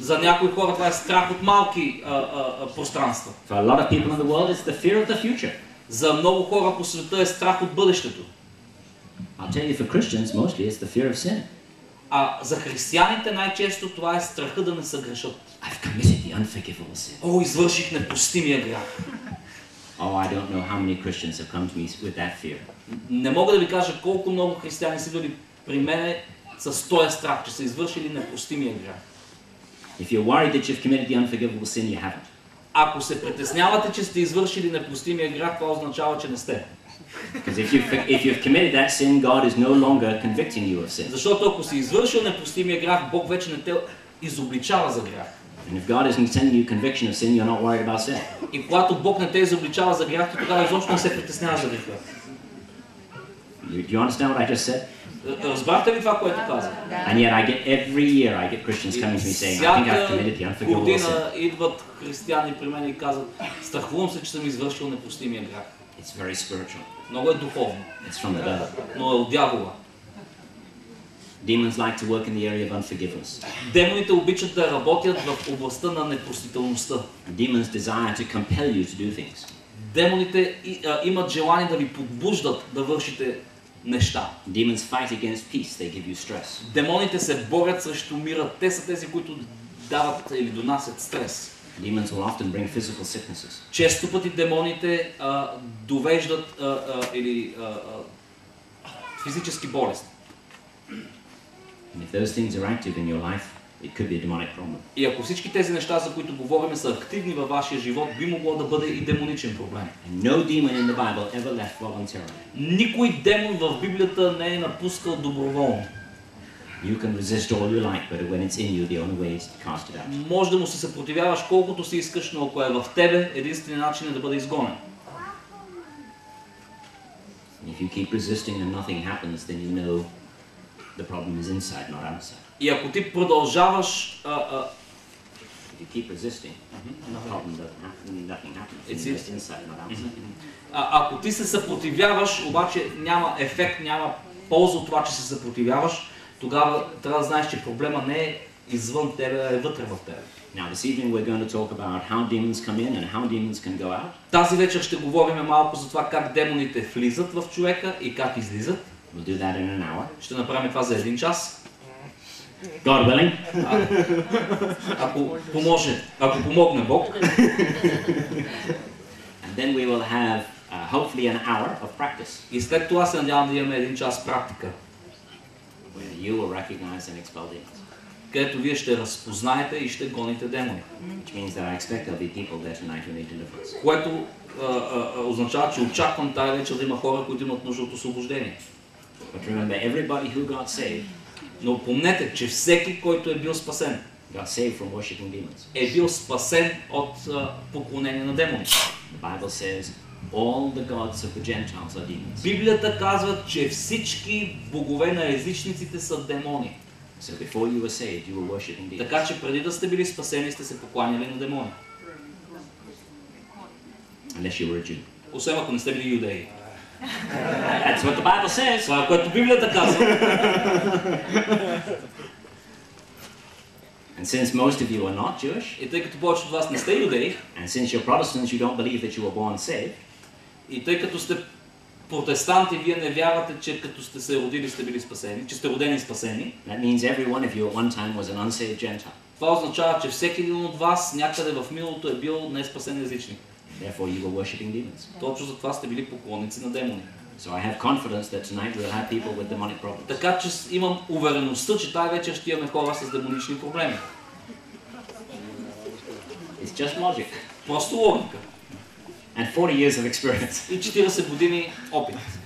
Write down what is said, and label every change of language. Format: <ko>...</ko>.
<bg>За някои хора това е страх от малки пространства.</bg> <en>For a lot of people in the world it's the fear of the future.</en> <bg>За много хора по света е страх от бъдещето.</bg> <en>I'll tell you, for Christians mostly it's the fear of sin.</en> <bg>А за християните най-често това е страха да не съгрешат.</bg> <en>I've committed the unforgivable sin.</en> <bg>О, извърших непростимия грях.</bg> <en>Oh, I don't know how many Christians have come to me with that fear.</en> <bg>Не мога да ви кажа колко много християни са били при мене с този страх, че са извършили непростимия грях.</bg> <en>If you're worried that you've committed the unforgivable sin, you haven't.</en> <bg>Ако се притеснявате, че сте извършили непростимия грях, това означава, че не сте.</bg> <en>Because if you've committed that sin, God is no longer convicting you of sin.</en> <bg>Защото ако си извършил непростимия грях, Бог вече не те изобличава за грях.</bg> <en>And if God isn't sending you conviction of sin, you're not worried about sin.</en> <bg>И когато Бог не те изобличава за грях, тогава изобщо не се притесняваш за греха.</bg> <en>Do you understand what I just said?</en> <bg>Разбрахте ли това, което казах?</bg> <en>And yet I get every year I get Christians coming to me saying, I think I've committed the unforgivable sin.</en> <bg>Година идват християни при мен и казват, страхувам се, че съм извършил непростимия грях.</bg> <en>It's very spiritual.</en> <bg>Много е духовно.</bg> <en>It's from the devil.</en> <bg>Но е от дявола.</bg> <en>Demons like to work in the area of unforgiveness.</en> <bg>Демоните обичат да работят в областта на непростителността.</bg> <en>Demons desire to compel you to do things.</en> <bg>Демоните имат желание да ви подбуждат да вършите неща.</bg> <en>Demons fight against peace. They give you stress.</en> <bg>Демоните се борят срещу мира. Те са тези, които дават или донасят стрес.</bg> <en>Demons will often bring physical sicknesses.</en> <bg>Често пъти демоните довеждат или физически болести.</bg> <en>And if those things are active in your life, it could be a demonic problem.</en> <bg>И ако всички тези неща, за които говорим, са активни във вашия живот, би могло да бъде и демоничен проблем.</bg> <en>No demon in the Bible ever left voluntarily.</en> <bg>Никой демон в Библията не е напускал доброволно.</bg> <en>You can resist all you like, but when it's in you, the only way is to cast it out.</en> <bg>Може да му се съпротивяваш колкото си искаш, но ако е в тебе, единственият начин е да бъде изгонен.</bg> <en>If you keep resisting and nothing happens, then you know the problem is inside, not outside.</en> <bg>И ако ти продължаваш,</bg> <en>if you keep resisting, the problem doesn't happen, nothing happens. It's just inside, not outside.</en> <bg>Ако ти се съпротивяваш, обаче няма ефект, няма полза от това, че се съпротивяваш, тогава трябва да знаеш, че проблема не е извън тебе, а е вътре в тебе.</bg> <en>Now this evening we're going to talk about how demons come in and how demons can go out.</en> <bg>Тази вечер ще говорим малко за това как демоните влизат в човека и как излизат.</bg> <en>We'll do that in an hour.</en> <bg>Ще направим това за един час.</bg> <en>God willing.</en> <bg>Ако поможе, ако помогне Бог.</bg> <en>And then we will have hopefully an hour of practice.</en> <bg>И след това се надявам да имаме един час практика.</bg> <en>Where you will recognize and expel demons.</en> <bg>Където вие ще разпознаете и ще гоните демони.</bg> <en>Which means that I expect there'll be people there tonight who need deliverance.</en> <bg>Което означава, че очаквам тази вечер да има хора, които имат нужда от освобождение.</bg> <en>But remember, everybody who got saved.</en> <bg>Но помнете, че всеки, който е бил спасен,</bg> <en>got saved from worshiping demons.</en> <bg>Е бил спасен от поклонение на демони.</bg> <en>The Bible says all the gods of the Gentiles are demons.</en> <bg>Библията казва, че всички богове на езичниците са демони.</bg> <en>So before you were saved, you were worshiping demons.</en> <bg>Така че преди да сте били спасени, сте се покланяли на демони.</bg> <en>Unless you were a Jew.</en> <bg>Освен ако не сте били юдеи.</bg> <en>That's what the Bible says.</en> <bg>Това е което Библията казва.</bg> <en>And since most of you are not Jewish,</en> <bg>и тъй като повечето от вас не сте юдеи,</bg> <en>and since you're Protestants, you don't believe that you were born saved,</en> <bg>и тъй като сте протестанти, вие не вярвате, че като сте се родили, сте били спасени, че сте родени спасени.</bg> <en>That means every one of you at one time was an unsaved Gentile.</en> <bg>Това означава, че всеки един от вас някъде в миналото е бил неспасен езичник.</bg> <en>Therefore, you were worshiping demons.</en> <bg>Точно за това сте били поклонници на демони.</bg> <en>So I have confidence that tonight we'll have people with demonic problems.</en> <bg>Така че имам увереността, че тази вечер ще имаме хора с демонични проблеми.</bg> <en>It's just logic.</en> <bg>Просто логика.</bg> <en>And 40 years of experience.</en> <bg>И 40 години опит.</bg>